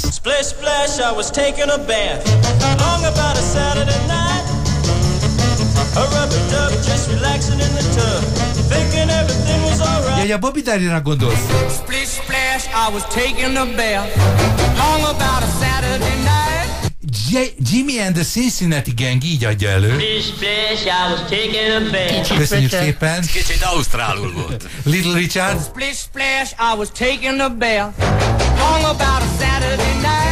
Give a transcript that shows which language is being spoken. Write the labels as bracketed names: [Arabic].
[English] Splash, splash, I was taking a bath long about a Saturday night. A rubber duck just relaxing in the tub, thinking everything was alright. [Hungarian] Jaj, a Bobby Darinra gondolsz. [English] Splash, splash, I was taking a bath long about a Saturday night. [Hungarian] Jimmy and the Cincinnati Gang így adja elő. Köszönjük szépen. Kicsit ausztrálul volt. [English] Little Richard. Splish splash, I was taking a bath long about a Saturday night.